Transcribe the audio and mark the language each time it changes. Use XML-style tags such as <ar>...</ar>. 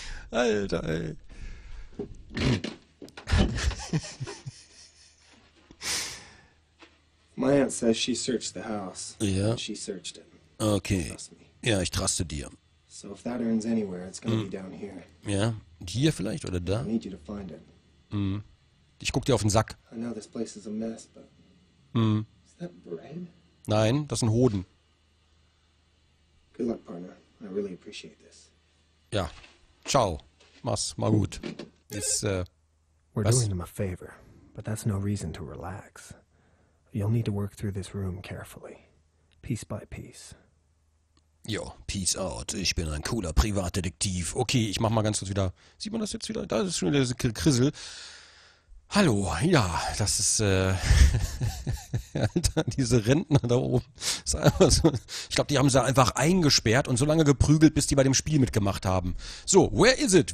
<de>Alter, ey.</de> <en>My aunt says she searched the house. Ja. She searched it.</en> <de>Okay. Ja, ich traste dir.</de> <en>So if that earns anywhere, it's gonna be down here.</en> <de>Ja, hier vielleicht oder da?</de> <en>I need you to find it.</en> <de>Ich guck dir auf den Sack.</de> <en>I know this place is a mess, but... Is that bread?</en> <de>Nein, das sind Hoden.</de> <en>Good luck, partner. I really appreciate this.</en> <de>Ja. Ciao. Mach's mal gut. Ist, We're was?</de> <en>Doing them a favor, but that's no reason to relax. You'll need to work through this room carefully. Piece by piece. Jo, peace out.</en> <de>Ich bin ein cooler Privatdetektiv. Okay, ich mach mal ganz kurz wieder. Sieht man das jetzt wieder? Da ist schon wieder der Krissel. Hallo, ja, das ist, Alter, diese Rentner da oben, ist einfach so, ich glaube, die haben sie einfach eingesperrt und so lange geprügelt, bis die bei dem Spiel mitgemacht haben.</de> <en>So, where is it?</en>